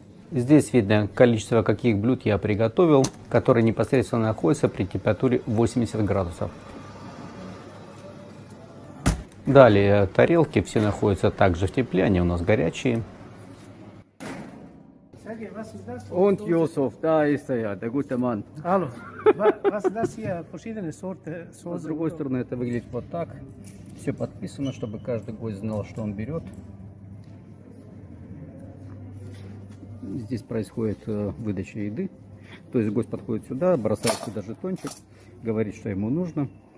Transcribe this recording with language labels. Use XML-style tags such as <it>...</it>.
<ru>Здесь видно количество каких блюд я приготовил, которые непосредственно находятся при температуре 80 градусов. Далее тарелки все находятся также в тепле, они у нас горячие.</ru> <de>Und Josef, da ist er ja, der gute Mann. Hallo. Was das hier verschiedene Sorte?</de> <ru>С другой стороны это выглядит вот так. Все подписано, чтобы каждый гость знал, что он берет. Здесь происходит выдача еды. То есть гость подходит сюда, бросает сюда жетончик, говорит, что ему нужно.</ru>